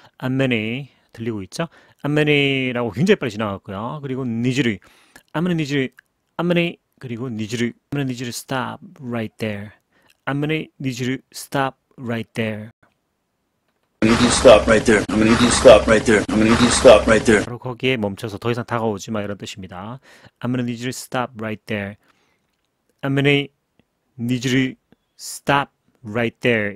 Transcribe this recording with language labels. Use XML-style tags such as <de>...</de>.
<en>I'm gonna</en> <ko>들리고 있죠? I'm gonna라고 굉장히 빨리 지나갔고요. 그리고 니즈리.</ko> <en>I'm gonna need you. I'm gonna</en> <ko>그리고 니즈르,</ko> <en>I'm gonna need you to stop right there. I'm gonna need you to stop right there. I'm gonna need you to stop right there.</en> <ko>바로 거기에 멈춰서 더 이상 다가오지 마 이런 뜻입니다.</ko> <en>I'm gonna need you to stop right there. I'm gonna need you to stop right there.</en>